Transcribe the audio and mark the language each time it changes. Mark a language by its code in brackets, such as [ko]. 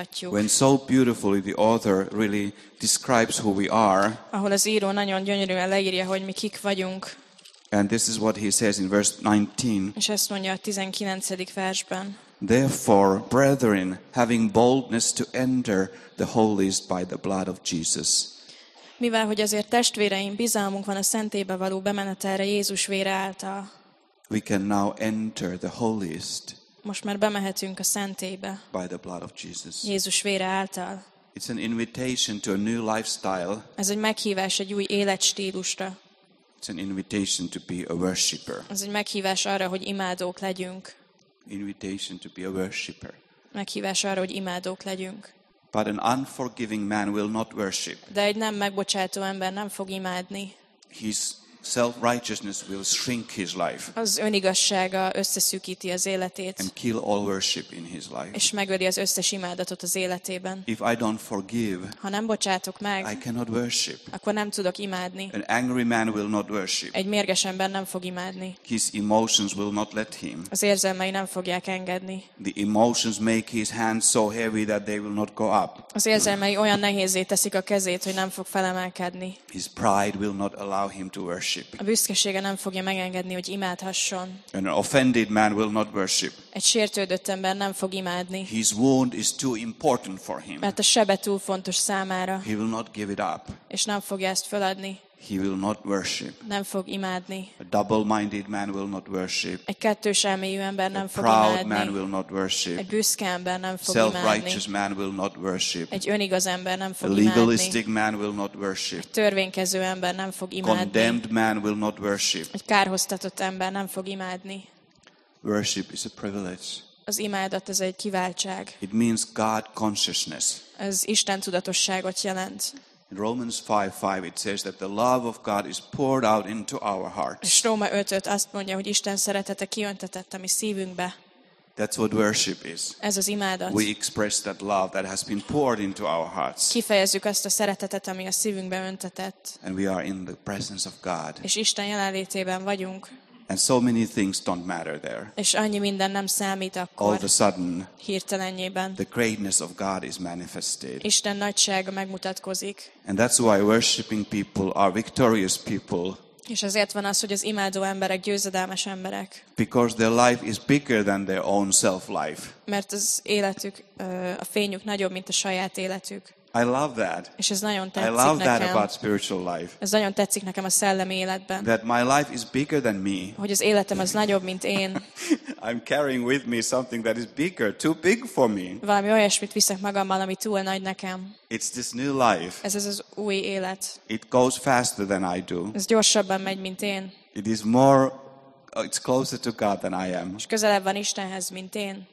[en] when so beautifully the author really describes who we are, [hu] ahol az író nagyon gyönyörűen leírja, hogy mi kik vagyunk. [en] And this is what he says in verse 19. [hu] És ezt mondja a 19. versben. [en] Therefore, brethren, having boldness to enter the holiest by the blood of Jesus. [hu] Mivel hogy azért testvéreim, bizalmunk van a szentélybe való bemenetelre Jézus vére által. [en] We can now enter the holiest. [hu] Most már bemehetünk a szentélybe. [en] By the blood of Jesus. [hu] Jézus vére által. [en] It's an invitation to a new lifestyle. [hu] Ez egy meghívás egy új életstílusra. [en] It's an invitation to be a worshipper. [hu] Ez egy meghívás arra, hogy imádók legyünk. [en] Invitation to be a worshipper. [hu] Meghívás arra, hogy imádók legyünk. [en] But an unforgiving man will not worship. [hu] De egy nem megbocsátó ember nem fog imádni. [en] His self-righteousness will shrink his life. [hu] Az önigazsága összeszűkíti az életét. [en] And kill all worship in his life. [hu] És megöli az összes imádatot az életében. [en] If I don't forgive, [hu] ha nem bocsátok meg, [en] I cannot worship. [hu] Akkor nem tudok imádni. [en] An angry man will not worship. [hu] Egy mérges ember nem fog imádni. [en] His emotions will not let him. [hu] Az érzelmei nem fogják engedni. [en] The emotions make his hands so heavy that they will not go up. [hu] Az érzelmei olyan nehézé teszik a kezét, hogy nem fog felemelkedni. [en] His pride will not allow him to worship. [hu] A büszkesége nem fogja megengedni, hogy imádhasson. [en] An offended man will not worship. [hu] Egy sértődött ember nem fog imádni. [en] His wound is too important for him. [hu] Mert a sebe túl fontos számára. [en] He will not give it up. [hu] És nem fogja ezt feladni. [en] He will not worship. [hu] Nem fog imádni. [en] A double-minded man will not worship. [hu] Egy kettős elméjű ember nem fog imádni. [en] A proud [hu] imádni. [en] Man will not worship. [hu] Egy büszke ember nem fog [en] self-righteous [hu] imádni. [en] Man will not worship. [hu] Egy önigaz ember nem fog [en] a legalistic [hu] imádni. [en] Man will not worship. [hu] Egy törvénykező ember nem fog imádni. [en] Condemned man will not worship. [hu] Egy kárhoztatott ember nem fog imádni. [en] Worship is a privilege. [hu] Az imádat ez egy kiváltság. [en] It means God consciousness. [hu] Ez Isten tudatosságot jelent. [en] In Romans 5:5 it says that the love of God is poured out into our hearts. [hu] Róma 5:5 azt mondja, hogy Isten szeretete kiöntetett a mi szívünkbe. [en] That's what worship is. [hu] Ez az imádat. [en] We express that love that has been poured into our hearts. [hu] Kifejezzük azt a szeretetet, ami a szívünkbe öntetett. [en] And we are in the presence of God. [hu] És Isten jelenlétében vagyunk. [en] And so many things don't matter there. [hu] És annyi minden nem számít akkor. [en] All of a sudden, [hu] hirtelennyében, [en] the greatness of God is manifested. [hu] Isten nagysága megmutatkozik. [en] And that's why worshiping people are victorious people. [hu] És ezért van az, hogy az imádó emberek győzedelmes emberek. [en] Because their life is bigger than their own self-life. [hu] Mert az életük, a fényük nagyobb, mint a saját életük. [en] I love that. [hu] És ez nagyon tetszik [en] I love that [hu] nekem. [en] About spiritual life. [hu] Ez nagyon tetszik nekem a szellemi életben. [en] That my life is bigger than me. [hu] Hogy az életem az nagyobb, mint én. [en] I'm carrying with me something that is bigger, too big for me. [hu] Valami olyasmit viszek magammal, ami túl nagy nekem. [en] It's this new life. [hu] Ez az új élet. [en] It goes faster than I do. [hu] Ez gyorsabban megy, mint én. [en] It is more. It's closer to God than I am. [hu] És közelebb van Istenhez, mint én.